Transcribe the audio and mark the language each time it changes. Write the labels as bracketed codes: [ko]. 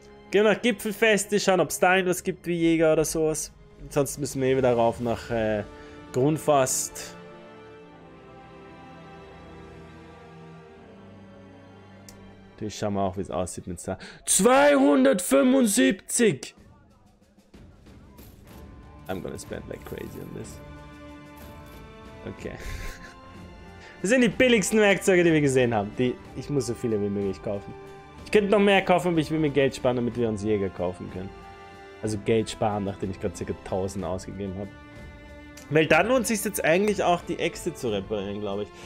[de] Gehen nach Gipfelfeste, schauen, ob es da irgendwas gibt wie Jäger oder sowas. Sonst müssen wir eh wieder rauf nach Grunfast. Natürlich schauen wir auch, wie es aussieht mit Star. 275! [en] I'm gonna spend like crazy on this. Okay. [de] Das sind die billigsten Werkzeuge, die wir gesehen haben. Ich muss so viele wie möglich kaufen. Ich könnte noch mehr kaufen, aber ich will mir Geld sparen, damit wir uns Jäger kaufen können. Also Geld sparen, nachdem ich gerade ca. 1000 ausgegeben habe. Weil dann lohnt es sich jetzt eigentlich auch, die Äxte zu reparieren, glaube ich.